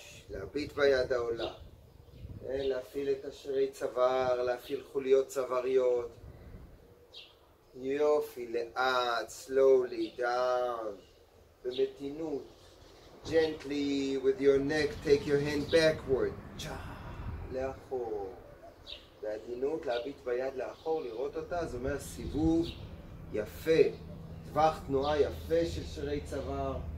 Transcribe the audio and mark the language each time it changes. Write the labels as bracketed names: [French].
[Hebrew] להביט ביד העולה, להפעיל את השרי צוואר, להפעיל חוליות צוואריות. יופי, לאט, [English] slowly, down, [Hebrew] במתינות. [English] Gently, with your neck, take your hand backward. [Hebrew] לאחור. בעדינות, להביט ביד לאחור, לראות אותה, זה אומר סיבוב יפה. טווח תנועה יפה של שרי צוואר.